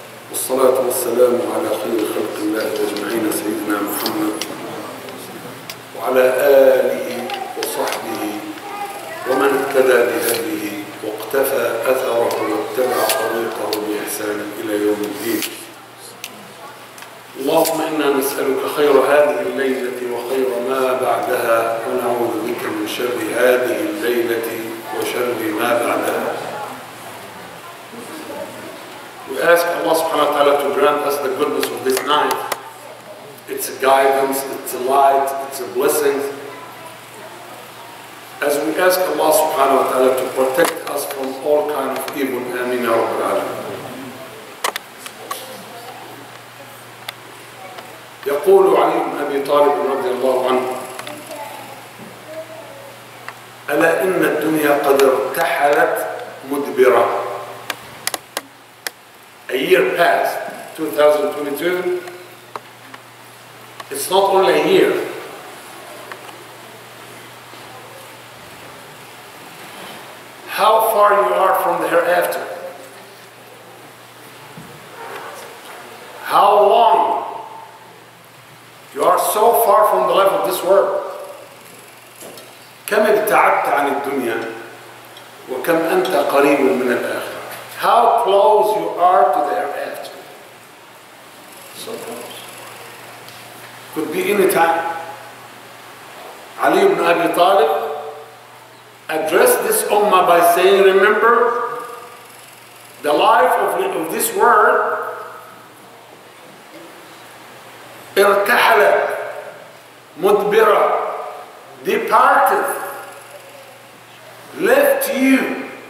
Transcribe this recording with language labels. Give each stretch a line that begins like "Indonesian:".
Arabic: والصلاة والسلام على خير خلق الله أجمعين سيدنا محمد وعلى آله وصحبه ومن اهتدى بهديه واقتفى أثره واتبع طريقه بإحسان إلى يوم الدين. اللهم إنا نسألك خير هذه الليلة وخير ما بعدها ونعوذ بك من شر هذه الليلة وشر ما بعدها.
English: Ask Allah subhanahu wa ta'ala to grant us the goodness of this night. It's a guidance, it's a light, it's a blessing. As we ask Allah subhanahu wa ta'ala to protect us from all kinds of evil, Amin ya Rabbal Alameen.
Arabic: يقول علي بن أبي طالب رضي الله عنه ألا إن الدنيا قد ارتحلت مدبرة.
English: A year passed, 2022. It's not only a year. How far you are from the hereafter? How long you are so far from the life of this world?
Arabic: كم ابتعدت عن الدنيا وكم أنت قريب من الآخر.
English: How close you are to the hereafter. So close. Could be any time. Ali ibn Abi Talib addressed this ummah by saying, remember, the life of this world,
Arabic: irtahala, mudbira,
English: departed, left you.